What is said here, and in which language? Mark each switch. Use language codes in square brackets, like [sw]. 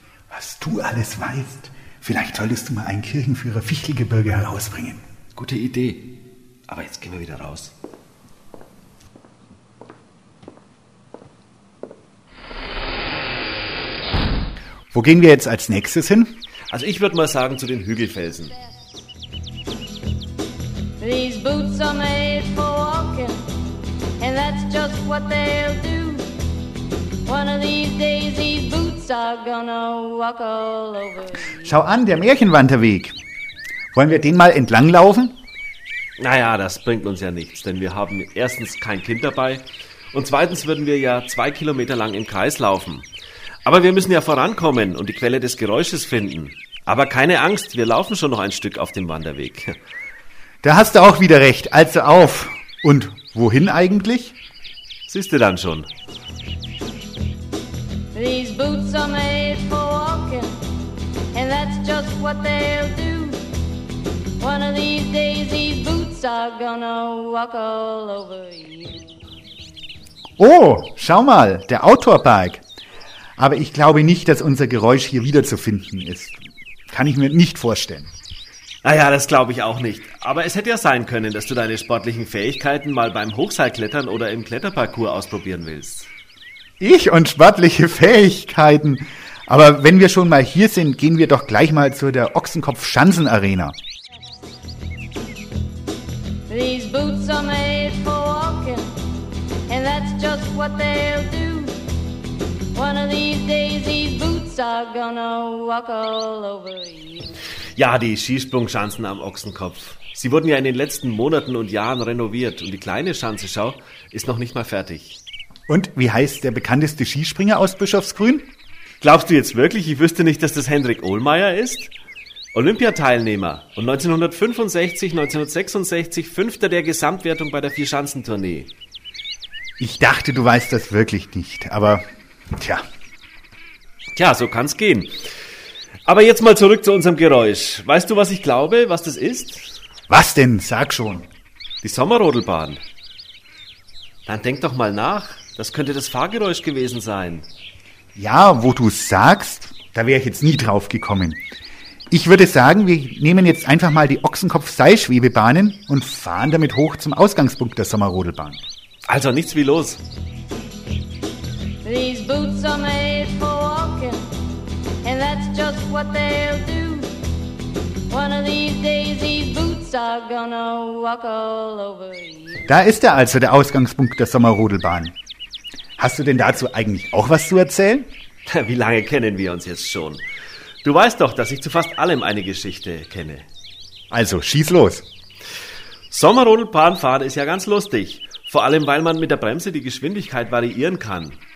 [de] Was du alles weißt, vielleicht solltest du mal einen Kirchenführer Fichtelgebirge herausbringen. Gute Idee. Aber jetzt gehen wir wieder raus. Wo gehen wir jetzt als nächstes hin? Also ich würde mal sagen, zu den Hügelfelsen. [en] These boots are made for walking, and that's just what they'll do. One of these days these boots are gonna walk all over. [de] Schau an, der Märchenwanderweg. Wollen wir den mal entlanglaufen? Naja, das bringt uns ja nichts, denn wir haben erstens kein Kind dabei und zweitens würden wir ja 2 Kilometer lang im Kreis laufen. Aber wir müssen ja vorankommen und die Quelle des Geräusches finden. Aber keine Angst, wir laufen schon noch ein Stück auf dem Wanderweg. Da hast du auch wieder recht, also auf. Und wohin eigentlich? Siehst du dann schon. [en] These boots are made for walking, and that's just what they'll do. One of these days these boots are gonna walk all over you. [de] Oh, schau mal, der Outdoor-Park. Aber ich glaube nicht, dass unser Geräusch hier wiederzufinden ist. Kann ich mir nicht vorstellen. Naja, das glaube ich auch nicht. Aber es hätte ja sein können, dass du deine sportlichen Fähigkeiten mal beim Hochseilklettern oder im Kletterparcours ausprobieren willst. Ich und sportliche Fähigkeiten. Aber wenn wir schon mal hier sind, gehen wir doch gleich mal zu der Ochsenkopf-Schanzen-Arena. [en] These boots are made for walking, and that's just what they'll do. One of these days these boots are gonna walk all over you. [de] Ja, die Skisprungschanzen am Ochsenkopf. Sie wurden ja in den letzten Monaten und Jahren renoviert und die kleine Schanze, schau, ist noch nicht mal fertig. Und wie heißt der bekannteste Skispringer aus Bischofsgrün? Glaubst du jetzt wirklich, ich wüsste nicht, dass das Hendrik Ohlmeier ist? Olympiateilnehmer und 1965, 1966 Fünfter der Gesamtwertung bei der Vierschanzentournee. Ich dachte, du weißt das wirklich nicht, aber tja. Tja, so kann's gehen. Aber jetzt mal zurück zu unserem Geräusch. Weißt du, was ich glaube, was das ist? Was denn? Sag schon. Die Sommerrodelbahn. Dann denk doch mal nach. Das könnte das Fahrgeräusch gewesen sein. Ja, wo du es sagst, da wäre ich jetzt nie drauf gekommen. Ich würde sagen, wir nehmen jetzt einfach mal die Ochsenkopf-Seilschwebebahnen und fahren damit hoch zum Ausgangspunkt der Sommerrodelbahn. Also nichts wie los. [en] These boots are made for walking, and that's just what they'll do. One of these days these boots are gonna walk all over you. [de] Da ist er also, der Ausgangspunkt der Sommerrodelbahn. Hast du denn dazu eigentlich auch was zu erzählen? Wie lange kennen wir uns jetzt schon? Du weißt doch, dass ich zu fast allem eine Geschichte kenne. Also, schieß los. Sommerrodelbahnfahren ist ja ganz lustig. Vor allem, weil man mit der Bremse die Geschwindigkeit variieren kann.